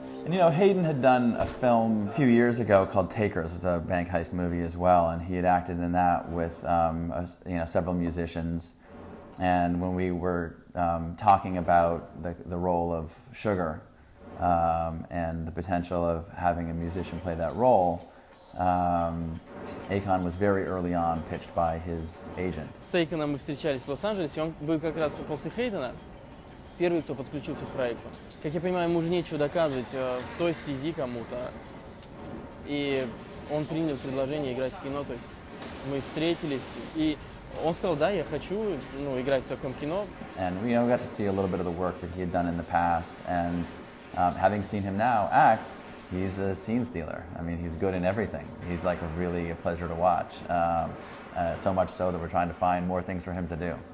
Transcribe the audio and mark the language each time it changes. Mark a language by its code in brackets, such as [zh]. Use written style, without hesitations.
[en] And, you know, Hayden had done a film a few years ago called Takers. It was a bank heist movie as well, and he had acted in that with several musicians. And when we were talking about the role of Sugar and the potential of having a musician play that role, Akon was very early on pitched by his agent. [ru] С Эйконом мы встречались в Лос-Анджелесе, он был как раз после Хейдена первый, кто подключился к проекту. Как я понимаю, ему уже нечего доказывать в той стези кому-то. И он принял предложение играть в кино, то есть мы встретились и... Он сказал, да, я хочу, ну, играть в таком кино. [en] And you know, we got to see a little bit of the work that he had done in the past, and having seen him now act, he's a scene stealer. I mean, he's good in everything. He's like really a pleasure to watch. So much so that we're trying to find more things for him to do.